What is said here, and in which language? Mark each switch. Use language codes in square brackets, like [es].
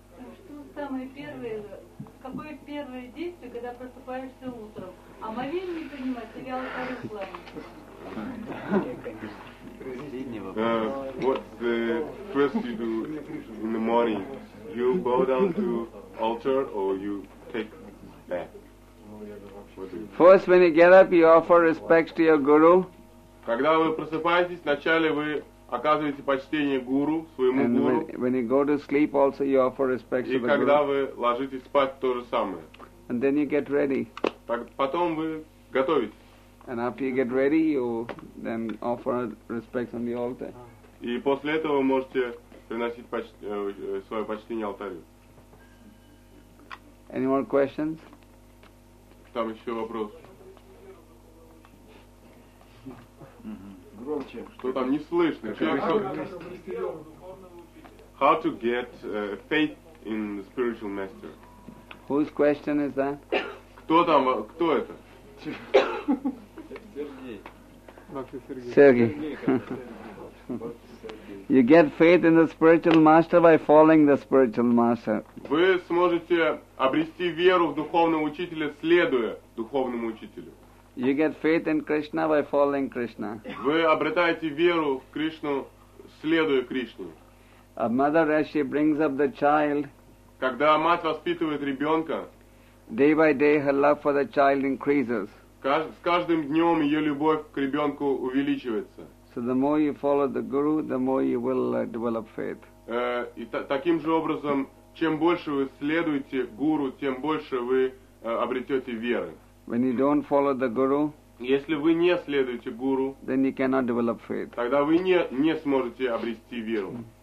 [ru] Что самое первое, какое первое действие, когда просыпаешься утром? Омовение принимать или алтарь славы? [en] What the first you do in the morning? You bow down to altar or you take bath? First, when you get up, you offer respects to your guru. [ru] Когда вы просыпаетесь, вначале вы оказываете почтение гуру, своему [en] and [ru] гуру. [en] When you go to sleep, also you offer respect to the guru. [ru] И когда вы ложитесь спать, то же самое. [en] And then you get ready. [ru] Так, потом вы готовитесь. [en] And after you get ready, you then offer respects on the altar. [ru] И после этого вы можете приносить свое почтение алтарю. [en] Any more questions? [ru] Там еще вопрос. Что там не слышно? [en] How to get faith in the spiritual master? Whose question is that? [ru] Кто там? Кто это? Сергей. [en] You get faith in the spiritual master by following the spiritual master. [ru] Вы сможете обрести веру в духовного учителя, следуя духовному учителю. [en] You get faith in Krishna by following Krishna. [ru] Вы обретаете веру в Кришну, следуя Кришне. [en] A mother, as she brings up the child, [ru] когда мать воспитывает ребенка, [en] day by day her love for the child increases. [ru] С каждым днем ее любовь к ребенку увеличивается. [en] So the more you follow the guru, the more you will develop faith. [ru] И таким же образом, чем больше вы следуете гуру, тем больше вы обретете веры. [en] When you don't follow the guru, [ru] если вы не следуете гуру, [en] then you cannot develop faith. [ru] Тогда вы не сможете обрести веру.